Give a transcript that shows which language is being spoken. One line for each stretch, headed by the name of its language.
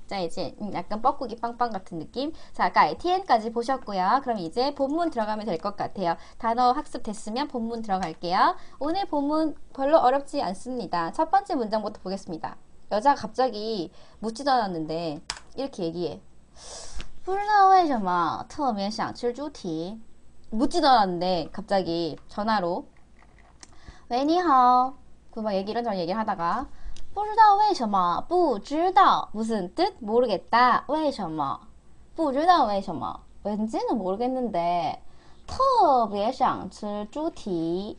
Korean: 자, 이제 약간 뻐꾸기 빵빵 같은 느낌. 자, 가이텐까지 보셨고요. 그럼 이제 본문 들어가면 될것 같아요. 단어 학습 됐으면 본문 들어갈게요. 오늘 본문 별로 어렵지 않습니다. 첫 번째 문장부터 보겠습니다. 여자가 갑자기 묻지도 않았는데 이렇게 얘기해.
Chinese: 不知道为什么特别想吃猪蹄。
Korean: 묻지도 않았는데 갑자기 전화로 왜니하오 그막 이런저런 얘기를 하다가
Chinese: 不知道为什么不知道
Korean: 무슨 뜻? 모르겠다.
Chinese: 为什么不知道为什么
Korean: 왠지는 모르겠는데
Chinese: 特别想吃猪蹄.